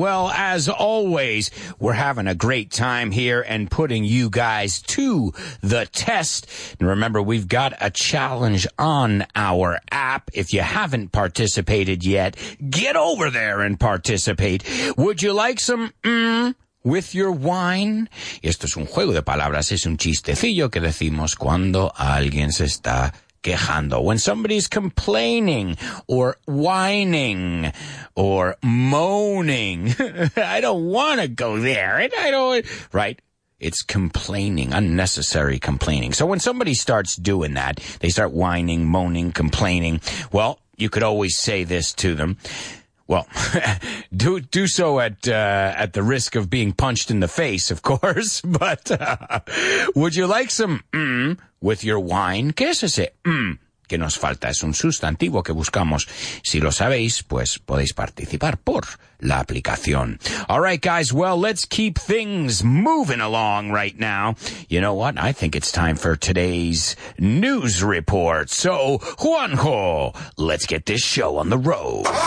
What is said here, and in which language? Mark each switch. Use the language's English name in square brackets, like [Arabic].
[English] Well, as always, we're having a great time here and putting you guys to the test. And remember, we've got a challenge on our app. If you haven't participated yet, get over there and participate. Would you like some with your wine? [Spanish] Esto es un juego de palabras. Es un chistecillo que decimos cuando alguien se está quejando. [English] When somebody's complaining or whining or moaning. I don't want to go there. Right? It's complaining, unnecessary complaining. So when somebody starts doing that, they start whining, moaning, complaining. Well, you could always say this to them. Well, do so at the risk of being punched in the face, of course. But would you like some with your wine? [Spanish] ¿Qué es ese que nos falta? Es un sustantivo que buscamos. Si lo sabéis, pues podéis participar por la aplicación. [English] All right, guys. Well, let's keep things moving along right now. You know what? I think it's time for today's news report. So, Juanjo, let's get this show on the road.